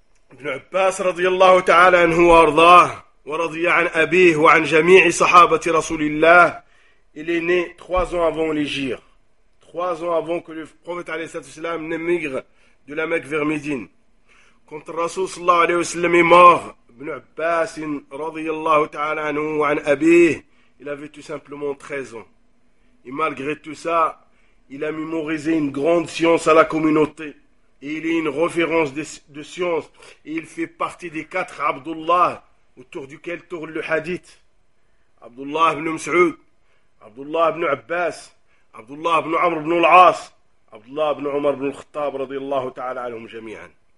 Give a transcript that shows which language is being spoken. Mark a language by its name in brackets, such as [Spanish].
[Arabic] ابن عباس رضي الله تعالى عنه وارضاه ورضي عن أبيه وعن جميع صحابة رسول الله. [French] Il est né 3 ans avant l'Hijra, 3 ans avant que le prophète [Arabic] عليه الصلاة والسلام [French] n'émigre de la Mecque vers Médine. Quand le [Arabic] رسول صلى الله عليه وسلم [French] est mort, [Arabic] ابن عباس رضي الله تعالى عنه وعن أبيه, [French] il avait tout simplement 13 ans. Et malgré tout ça, il a mémorisé une grande science à la communauté. Et il est une référence de science. Et il fait partie des 4 Abdullah autour duquel tourne le hadith. Abdullah ibn Mas'ud, Abdullah ibn Abbas, Abdullah ibn Amr ibn al-As, Abdullah ibn Umar ibn al-Khattab, [Arabic] radiyallahu ta'ala alayhum jami'an.